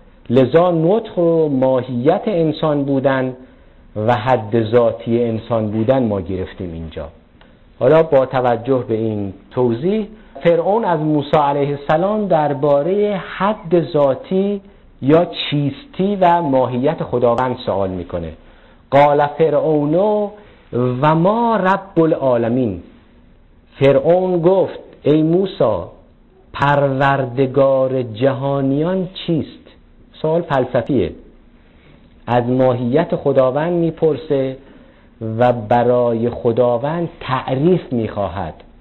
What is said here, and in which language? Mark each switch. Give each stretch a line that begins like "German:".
Persian: لذا نطق رو ماهیت انسان بودن و حد ذاتی انسان بودن ما گرفتیم اینجا. حالا با توجه به این توضیح، فرعون از موسی علیه السلام درباره حد ذاتی یا چیستی و ماهیت خداوند سوال میکنه.
Arabic: قال فرعون و ما رب العالمین.
Persian: فرعون گفت ای موسی پروردگار جهانیان چیست؟ سوال فلسفیه، از ماهیت خداوند میپرسه و برای خداوند تعریف میخواهد.